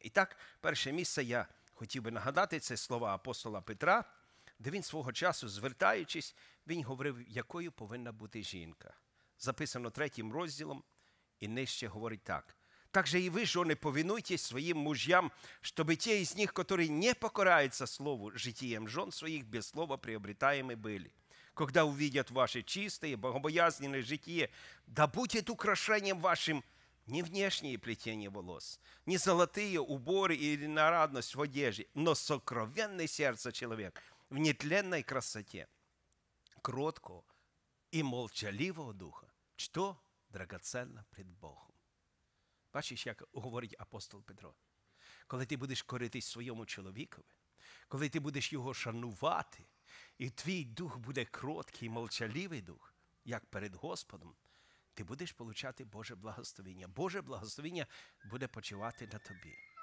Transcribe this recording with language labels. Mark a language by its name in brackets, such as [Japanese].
[Ukrainian] І так, перше місце я хотів би нагадати, це слова апостола Петра, де він свого часу, звертаючись, він говорив, якою повинна бути жінка. Записано третім розділом, і нижче говорить так. Так же і ви, жони, повинуйтесь своїм мужям, щоби ті із них, котрі не покораються слову, житієм жон своїх, без слова приобретаємо били. [Russian] Когда увидят ваше чистое, богобоязненное житие, да будет украшением вашим не внешнее плетение волос, не золотые уборы или нарядность в одежде, но сокровенное сердце человек в нетленной красоте, кроткого и молчаливого духа, что драгоценно пред Богом. [Ukrainian] Бачиш, як говорить апостол Петро, коли ти будеш коритись своєму чоловікові, коли ти будеш його шанувати, і твій дух буде кроткий, молчаливий дух, як перед Господом, ти будеш получати Боже благословення. Боже благословення буде почивати на тобі.